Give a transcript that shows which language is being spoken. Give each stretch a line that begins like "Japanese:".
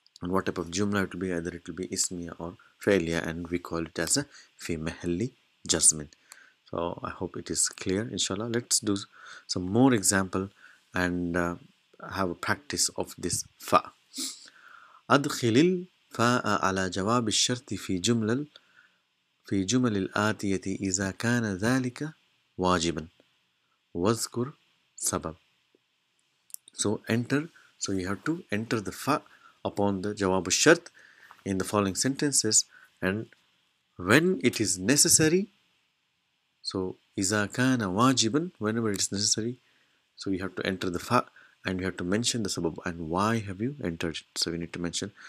English: And what type of jumla it will be, either it will be ismiya or failia, and we call it as a
Arabic: fi mahalli jazmin.
English: So I hope it is clear, inshallah. Let's do some more example and have a practice of this fa.
Arabic: Adkhilil fa'a ala jawabi sharti fi jumlal. في جمل الآتية إذا كان ذلك واجبا واذكر سبب.
English: So enter, so you have to enter the fa upon the jawab al-shart in the following sentences, and when it is necessary, so
Arabic: إذا كان واجبا,
English: whenever it is necessary, so you have to enter the fa and you have to mention the sabab and why have you entered it. So we need to mention.